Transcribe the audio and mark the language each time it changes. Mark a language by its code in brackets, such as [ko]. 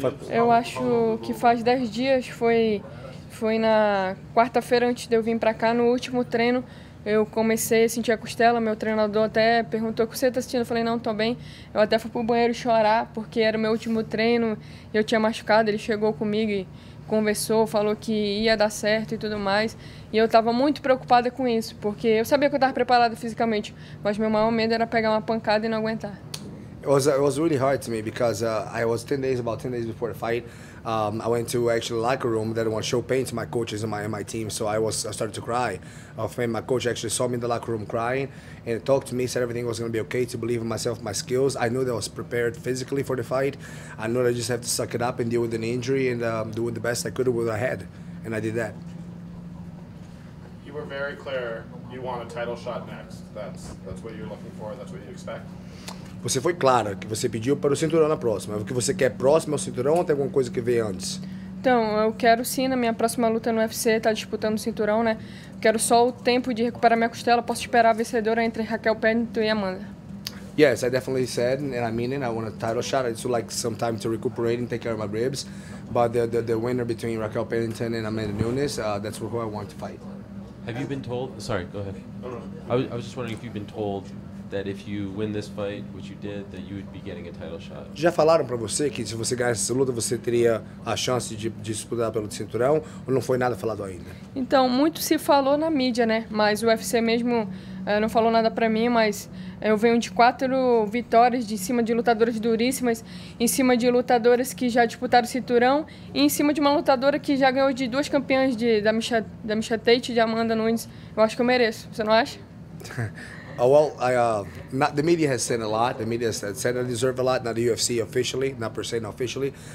[pt] Eu acho que faz 10 dias, foi na quarta-feira antes de eu vir pra cá, no último treino, eu comecei a sentir a costela, meu treinador até perguntou, o que você tá sentindo? Eu falei, não, tô bem. Eu até fui pro banheiro chorar, porque era o meu último treino, eu tinha machucado, ele chegou comigo e conversou, falou que ia dar certo e tudo mais, e eu tava muito preocupada com isso, porque eu sabia que eu tava preparada fisicamente, mas meu maior medo era pegar uma pancada e não aguentar. [en] It was really hard to me because I was about 10 days before the fight. I went to actually the locker room, didn't want to show pain to my coaches and my team, so I started to cry. My coach actually saw me in the locker room crying and talked to me, said everything was going to be okay, to believe in myself, my skills. I knew that I was prepared physically for the fight. I knew that I just have to suck it up and deal with an injury and do the best I could with what I had, and I did that. You were very clear you want a title shot next. That's what you're looking for, that's what you expect. [pt] Você foi clara que você pediu para o cinturão na próxima. O que você quer próximo ao cinturão ou tem alguma coisa que vem antes? Então, eu quero sim, na minha próxima luta no UFC, estar disputando o cinturão, né? Quero só o tempo de recuperar minha costela. Posso esperar a vencedora entre Raquel Pennington e Amanda. [en] Yes, I definitely said, and I mean it, I want a title shot. I just would like some time to recuperate and take care of my ribs. But the winner between Raquel Pennington and Amanda Nunes, that's who I want to fight. Have you been told... Sorry, go ahead. I was just wondering if you've been told... that if you win this fight, which you did, that you would be getting a title shot. [pt] Já falaram para você que se você ganhasse essa luta, você teria a chance de disputar pelo cinturão, ou não foi nada falado ainda? Então, muito se falou na mídia, né? Mas o UFC mesmo não falou nada para mim, mas eu venho de 4 vitórias de cima de lutadoras duríssimas, em cima de lutadoras que já disputaram o cinturão, e em cima de uma lutadora que já ganhou de 2 campeãs da Misha Tate e de Amanda Nunes. Eu acho que eu mereço, você não acha? [en] The media has said a lot. The media has said I deserve a lot, not the UFC officially, not per se officially.